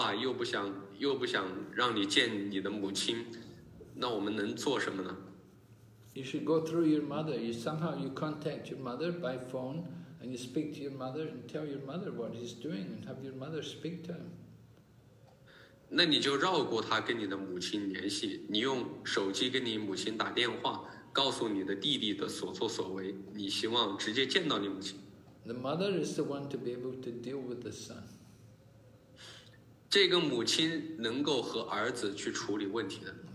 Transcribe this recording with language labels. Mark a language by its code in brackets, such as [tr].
[zh] 他是否寻求你的帮助呢？但是他又不想跟你说话，又不想让你见你的母亲。那我们能做什么呢? [en] You should go through your mother. You somehow you contact your mother by phone, and you speak to your mother and tell your mother what he's doing, and have your mother speak to him. [zh] 那你就绕过他跟你的母亲联系，你用手机跟你母亲打电话，告诉你的弟弟的所作所为，你希望直接见到你母亲。 [en] The mother is the one to be able to deal with the son. [zh] 这个母亲能够和儿子去处理问题的。